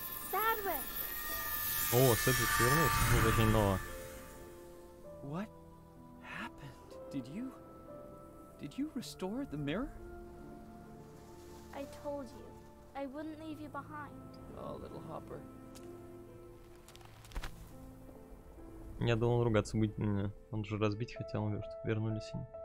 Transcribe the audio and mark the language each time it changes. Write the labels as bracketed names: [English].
[Russian] Садвик! О, Садвик вернулся, уже не ново. [English] What happened? Did you restore the mirror? I told you. I wouldn't leave you behind. Oh, little hopper. [Russian] Я думал ругаться будет на меня. Он же разбить хотел, может, вернулись они.